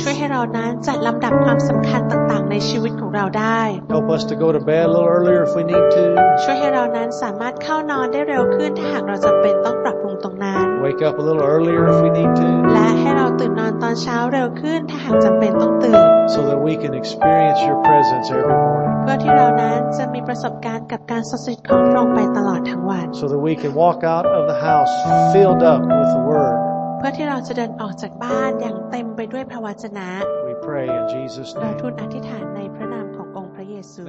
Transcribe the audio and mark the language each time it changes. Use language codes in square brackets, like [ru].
[th] ช่วยให้เรานั้นจัดลำดับความสำคัญต่างๆในชีวิตของเราได้ [en] Help us to go to bed a little earlier if we need to. [th] ช่วยให้เรานั้นสามารถเข้านอนได้เร็วขึ้นถ้าหากเราจำเป็นต้องปรับปรุงตรงนั้น [en] Wake up a little earlier if we need to. [th] และให้เราตื่นนอนตอนเช้าเร็วขึ้นถ้าหากจำเป็นต้องตื่น [en] So that we can experience your presence every morning. [th] เพื่อที่เรานั้นจะมีประสบการณ์กับการสถิตของพระองค์ไปตลอดทั้งวัน [en] So that we can walk out of the house filled up with the word [th] เพื่อที่เราจะเดินออกจากบ้านอย่างเต็มไปด้วยพระวจนะ [en] We pray in Jesus' name [th] เราทูลอธิษฐานในพระนามขององค์พระเยซู